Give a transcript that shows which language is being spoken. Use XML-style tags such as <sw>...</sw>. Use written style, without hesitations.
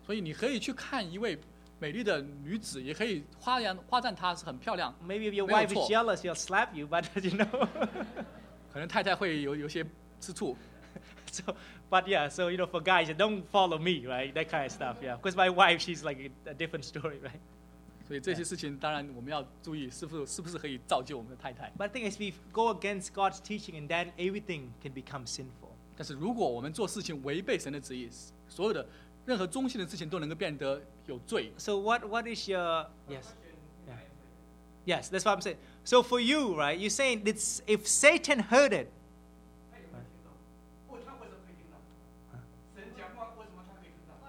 <zh>所以你可以去看一位。美丽的女子也可以夸赞她是很漂亮。</zh> <en>Maybe if your wife is jealous, she'll slap you. But you know,</en> <zh>可能太太会有些吃醋。</zh> <en>So, but yeah, so you know, for guys, don't follow me, right? That kind of stuff. Yeah, because my wife, she's like a different story, right?</en> <zh>所以这些事情当然我们要注意，是不是可以造就我们的太太。</zh> <en>But the thing is, we go against God's teaching, and then everything can become sinful.</en> <zh>但是如果我们做事情违背神的旨意，所有的任何忠心的事情都能够变得有罪。</zh> <en>So what is your yes? Yeah. Yes, that's what I'm saying. So for you, right? You're saying it's if Satan heard it.</en> <zh>他有没有听到？不，他为什么可以听到？神讲话为什么他可以听到？</zh>